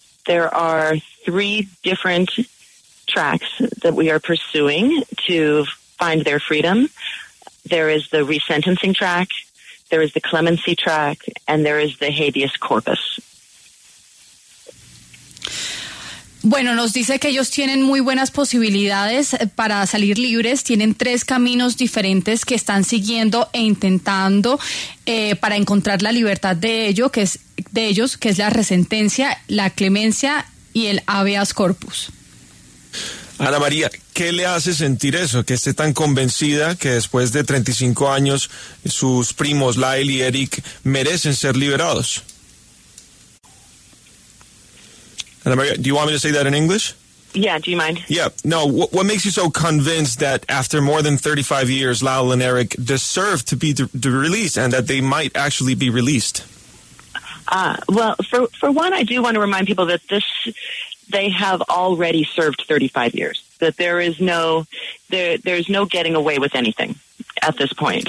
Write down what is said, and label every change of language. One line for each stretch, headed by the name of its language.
English: There are three different tracks that we are pursuing to find their freedom. There is the resentencing track, there is the clemency track, and there is the habeas corpus.
Spanish: Bueno, nos dice que ellos tienen muy buenas posibilidades para salir libres. Tienen tres caminos diferentes que están siguiendo e intentando para encontrar la libertad de ellos, que es la resentencia, la clemencia y el habeas corpus. Ana María, ¿qué le hace sentir eso? Que esté tan convencida que después de 35 años sus primos Lyle y Eric merecen ser liberados.
English: Ana María, do you want me to say that in English? Yeah, do you mind? Yeah, no, what makes you so convinced that after more than 35 years, Lyle and Eric deserve to be released and that they might actually be released? Well, for one, I do want to remind people that this, they have already served 35 years, that there's no getting away with anything at this point.